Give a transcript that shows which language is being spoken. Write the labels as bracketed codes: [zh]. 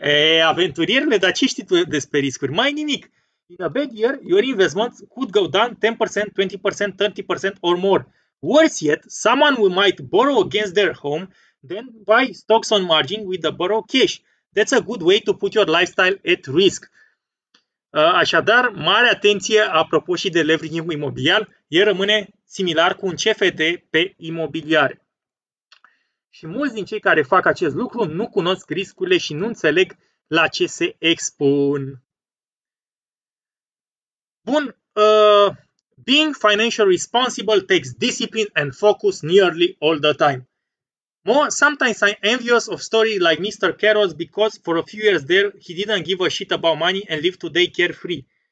[ro] E, aventurierile, dar ce știi tu despre riscuri? Mai nimic. [en] In a bad year, your investments could go down 10%, 20%, 30% or more. Worse yet, someone who might borrow against their home, then buy stocks on margin with the borrow cash. That's a good way to put your lifestyle at risk. [ro] Așadar, mare atenție apropo și de leveraging imobiliar, el rămâne similar cu un CFD pe imobiliare. Și mulți din cei care fac acest lucru nu cunosc riscurile și nu înțeleg la ce se expun. [en] Bun, being financially responsible takes discipline and focus nearly all the time. Sometimes I'm envious of stories like Mr. Carroll's because for a few years there he didn't give a shit about money and lived today carefree.